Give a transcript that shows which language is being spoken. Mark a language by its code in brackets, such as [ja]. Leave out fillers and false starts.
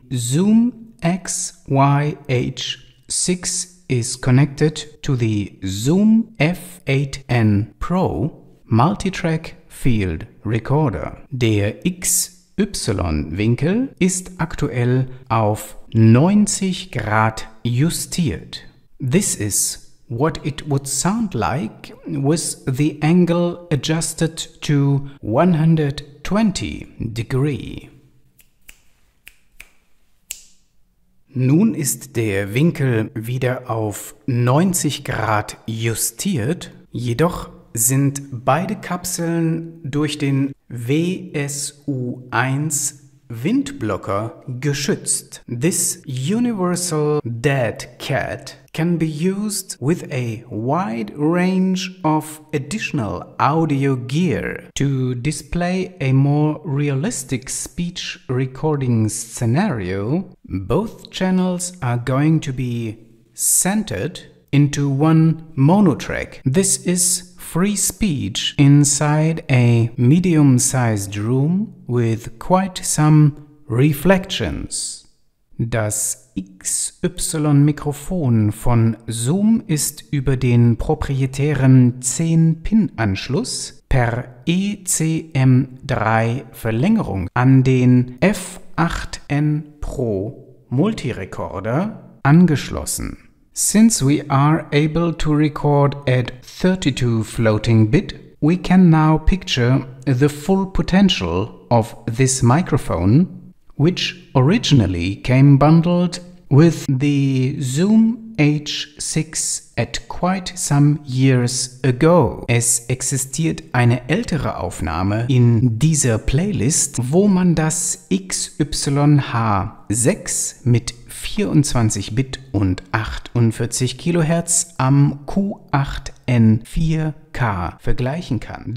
[en] Zoom XYH6 is connected to the Zoom F8N Pro Multitrack Field Recorder. [de] Der XY-Winkel ist aktuell auf 90 Grad justiert. [en] This is what it would sound like with the angle adjusted to 120 degree. [de] Nun ist der Winkel wieder auf 90 Grad justiert, jedoch sind beide Kapseln durch den WSU1 Windblocker geschützt. [en] This universal dead cat can be used with a wide range of additional audio gear to display a more realistic speech recording scenario. Both channels are going to be centered into one monotrack. This is free speech inside a medium-sized room with quite some reflections. [de] Das XY-Mikrofon von Zoom ist über den proprietären 10-Pin-Anschluss per ECM3-Verlängerung an den F8N Pro Multirecorder angeschlossen. [en] Since we are able to record at 32 floating bit, we can now picture the full potential of this microphone, which originally came bundled with the Zoom H6 at quite some years ago. [de] Es existiert eine ältere Aufnahme in dieser Playlist, wo man das XYH6 mit 24 Bit und 48 kHz am Q8N4K vergleichen kann.